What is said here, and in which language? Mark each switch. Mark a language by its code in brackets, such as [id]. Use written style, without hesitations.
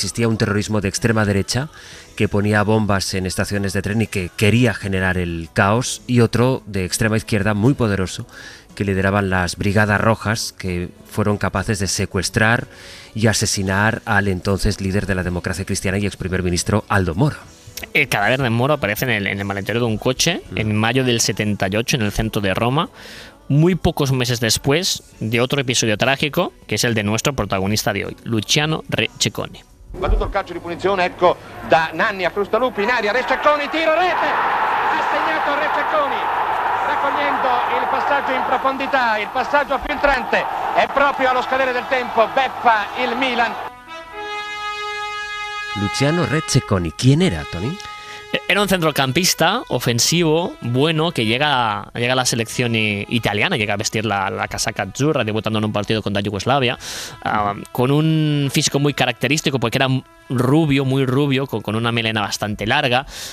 [es] Existía un terrorismo de extrema derecha que ponía bombas en estaciones de tren y que quería generar el caos, y otro de extrema izquierda muy poderoso que lideraban las Brigadas Rojas, que fueron capaces de secuestrar y asesinar al entonces líder de la Democracia Cristiana y ex primer ministro Aldo Moro. El cadáver de Moro aparece en el maletero de un coche en mayo del 78 en el centro de Roma, muy pocos meses después de otro episodio trágico, que es el de nuestro protagonista de hoy, Luciano Re Cecconi. [it] Battuto il calcio di punizione, ecco, da Nanni a Frustaluppi in aria, Re Cecconi, tiro, rete, ha segnato Re Cecconi, raccogliendo il passaggio in profondità, il passaggio filtrante, è proprio allo scadere del tempo, beffa il Milan. [es] Luciano Re Cecconi, ¿quién era, Toni? Era un centrocampista ofensivo, bueno, que llega a la selección italiana, llega a vestir la casaca azzurra, debutando en un partido contra Yugoslavia, con un físico muy característico, porque era rubio, muy rubio, con una melena bastante larga,